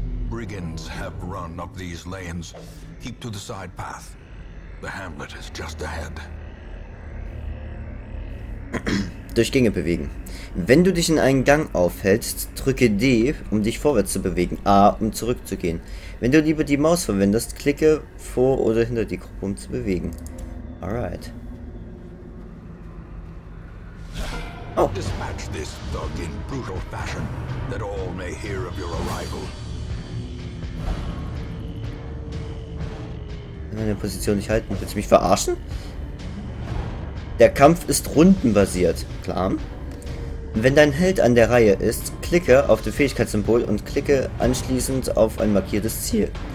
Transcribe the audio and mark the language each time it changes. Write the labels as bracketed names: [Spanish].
[English] Brigands have run up these lanes. Keep to the side path. The hamlet is just ahead. [German] Durch Gänge bewegen. Wenn du dich in einen Gang aufhältst, drücke D, um dich vorwärts zu bewegen, A, um zurückzugehen. Wenn du lieber die Maus verwendest, klicke vor oder hinter die Gruppe, um zu bewegen. [English] Alright. Oh. Dispatch this thug in brutal fashion, that all may hear of your arrival. [German] Meine Position nicht halten. Willst du mich verarschen? Der Kampf ist rundenbasiert. Klar. Wenn dein Held an der Reihe ist, klicke auf das Fähigkeitssymbol und klicke anschließend auf ein markiertes Ziel.